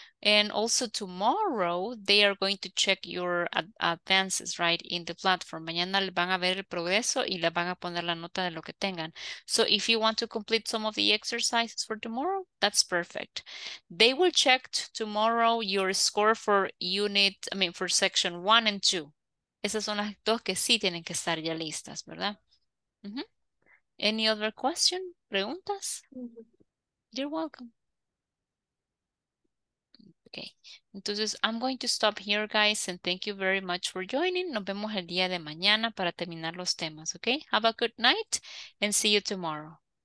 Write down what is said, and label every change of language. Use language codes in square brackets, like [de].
[en] And also tomorrow, they are going to check your advances, right, in the platform. [es] Mañana le van a ver el progreso y le van a poner la nota de lo que tengan. [en] So if you want to complete some of the exercises for tomorrow, that's perfect. They will check tomorrow your score for unit, I mean, for section 1 and 2. [es] Esas son las dos que sí tienen que estar ya listas, ¿verdad? [en] Mm-hmm. Any other question? [es] ¿Preguntas? [en] Mm-hmm. You're welcome. Okay, [es] entonces [en] I'm going to stop here, guys, and thank you very much for joining. [es] Nos vemos el día de mañana para terminar los temas, okay? [en] Have a good night and see you tomorrow.